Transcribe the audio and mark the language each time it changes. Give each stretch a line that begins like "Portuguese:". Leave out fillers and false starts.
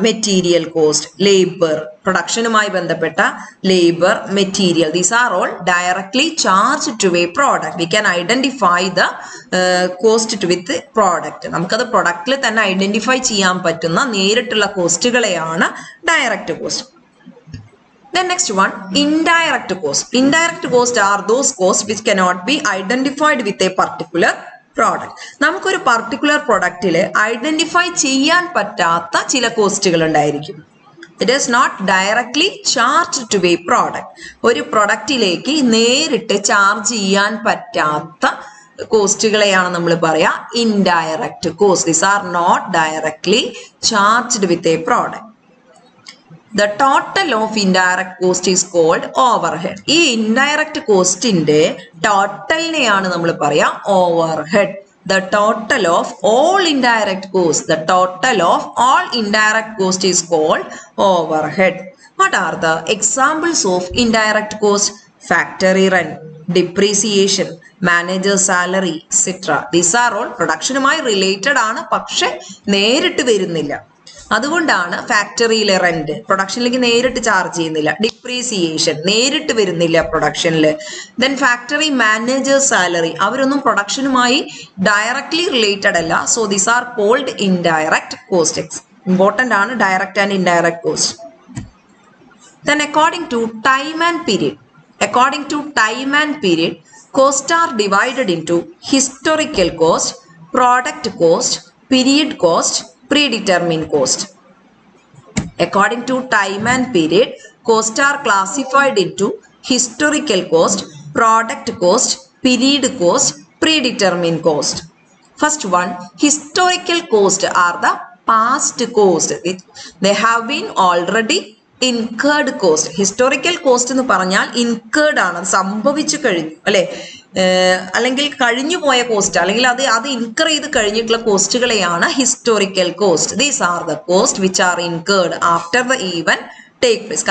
Malayalam: Material cost, labour, പ്രൊഡക്ഷനുമായി ബന്ധപ്പെട്ട labour, material.
English: These are all directly charge to a product. We can identify the cost to with product.
Malayalam: നമുക്കത് പ്രൊഡക്റ്റിൽ തന്നെ identify ചെയ്യാൻ പറ്റുന്ന നേരിട്ടുള്ള കോസ്റ്റുകളെയാണ് direct cost.
English: Then next one, indirect cost. Indirect cost are those costs which cannot be identified with a particular product.
Malayalam: നമുക്കൊരു particular പ്രൊഡക്റ്റിൽ identify ചെയ്യാൻ പറ്റാത്ത ചില കോസ്റ്റുകൾ ഉണ്ടായിരിക്കും.
English: It is not directly charge to a product.
Malayalam: ഒരു പ്രൊഡക്റ്റിലേക്ക് നേരിട്ട് ചാർജ് ചെയ്യാൻ പറ്റാത്ത കോസ്റ്റുകളെയാണ് നമ്മൾ പറയാ indirect cost.
English: These are not directly charged with a product. The total of indirect cost is called overhead.
Malayalam: ഈ ഇൻഡയറക്റ്റ് കോസ്റ്റിന്റെ ടോട്ടലിനെയാണ് നമ്മൾ പറയാ overhead.
English: The total of all indirect cost, the total of all indirect cost is called overhead. What are the examples of indirect cost? Factory rent, depreciation, manager salary etcetera. These are all
Malayalam: പ്രൊഡക്ഷനുമായി related ആണ്, പക്ഷെ നേരിട്ട് വരുന്നില്ല. അതുകൊണ്ടാണ് ഫാക്ടറിയിലെ rent പ്രൊഡക്ഷനിലേക്ക് നേരിട്ട് charge ചെയ്യുന്നില്ല. Depreciation നേരിട്ട് വരുന്നില്ല പ്രൊഡക്ഷനിൽ. Then factory manager salary, അവരൊന്നും പ്രൊഡക്ഷനുമായി ഡയറക്ട്ലി റിലേറ്റഡ് അല്ല.
English: So these are called indirect costs. Important ആണ് direct and indirect cost. Then according to time and period, according to time and period cost are divided into historical cost, product cost, period cost, predetermined cost. According to time and period, costs are classified into historical cost, product cost, period cost, predetermined cost. First one, historical costs are the past costs. They have been already incurred cost.
Malayalam: Historical cost എന്ന് പറഞ്ഞാൽ incurred ആണ്, സംഭവിച്ചു കഴിഞ്ഞു അല്ലെ, അല്ലെങ്കിൽ കഴിഞ്ഞു പോയ cost, അല്ലെങ്കിൽ അത് അത് ഇൻകർ ചെയ്ത് കഴിഞ്ഞിട്ടുള്ള കോസ്റ്റുകളെയാണ് historical cost.
English: These are the cost which are incurred after the event take place.